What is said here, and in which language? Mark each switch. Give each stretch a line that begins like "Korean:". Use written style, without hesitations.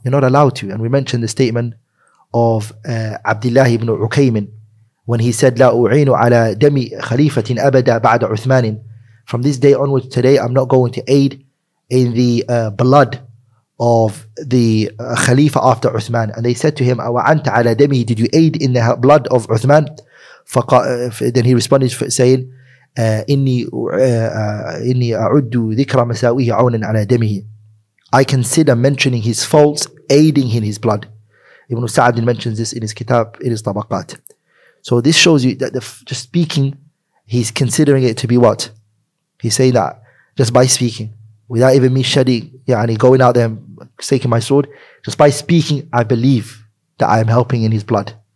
English: You're not allowed to. And we mentioned the statement of Abdullah ibn Ukaymin, when he said,
Arabic: لا أعين على دم خليفة أبدا بعد عثمان.
English: From this day onwards, today, I'm not going to aid in the blood of the Khalifa after Uthman. And they said to him,
Arabic: أوعنت على دمي,
English: did you aid in the blood of Uthman? Then he responded saying,
Arabic: إني أعد ذكر مساويه عونا على دمه.
English: I consider mentioning his faults, aiding in his blood. Ibn Sa'd mentions this in his Kitab, in his Tabaqat. So this shows you that just speaking he's considering it to be what? He's saying that just by speaking, without even me shedding, and he's going out there and staking my sword, just by speaking, I believe that I am helping in his blood.